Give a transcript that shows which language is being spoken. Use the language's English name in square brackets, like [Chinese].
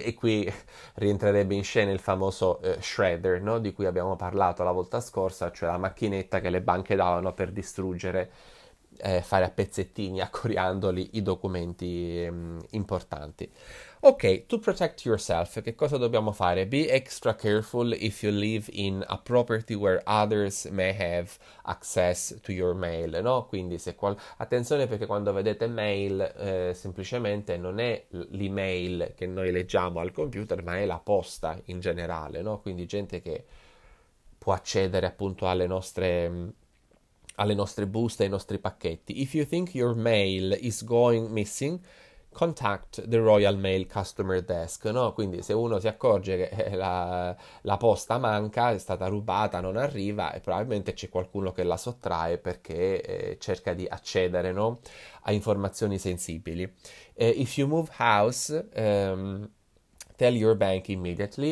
[Italian] E qui rientrerebbe in scena il famoso shredder, no, di cui abbiamo parlato la volta scorsa, cioè la macchinetta che le banche davano per distruggere, fare a pezzettini, accoriandoli, i documenti importanti. Ok, [English] to protect yourself, [Italian] che cosa dobbiamo fare? [English] Be extra careful if you live in a property where others may have access to your mail, no? [Italian] Quindi se qual attenzione, perché quando vedete mail, semplicemente non è l'email che noi leggiamo al computer, ma è la posta in generale, no? Quindi gente che può accedere appunto alle nostre buste, ai nostri pacchetti. [English] If you think your mail is going missing, contact the Royal Mail Customer Desk, no? [Italian] Quindi se uno si accorge che la posta manca, è stata rubata, non arriva, e probabilmente c'è qualcuno che la sottrae perché cerca di accedere, no, a informazioni sensibili. [English] If you move house, tell your bank immediately.